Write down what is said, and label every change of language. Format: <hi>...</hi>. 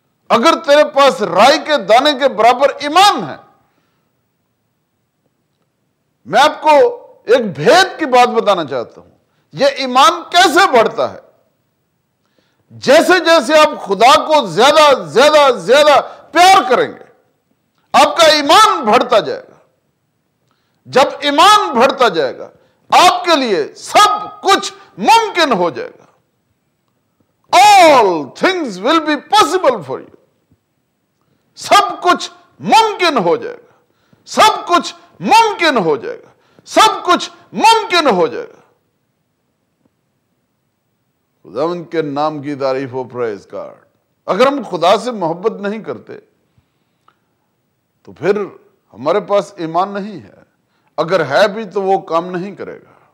<ur>اگر تیرے پاس رائی کے دانے کے برابر ایمان ہے, میں آپ کو ایک بھید کی بات بتانا چاہتا ہوں, یہ ایمان کیسے بڑھتا ہے, جیسے جیسے آپ خدا کو زیادہ زیادہ زیادہ پیار کریں گے آپ کا ایمان بڑھتا جائے گا. جب ایمان بڑھتا جائے گا آپ کے لیے سب کچھ ممکن ہو جائے گا.</ur> <en>All things will be possible for you.</en> <ur>سب کچھ ممکن ہو جائے گا, سب کچھ ممکن ہو جائے گا, سب کچھ ممکن ہو جائے گا. خداوند کے نام کی تعریف ہو, پریز گاڈ. اگر ہم خدا سے محبت نہیں کرتے تو پھر ہمارے پاس ایمان نہیں ہے, اگر ہے بھی تو وہ کام نہیں کرے گا.</ur>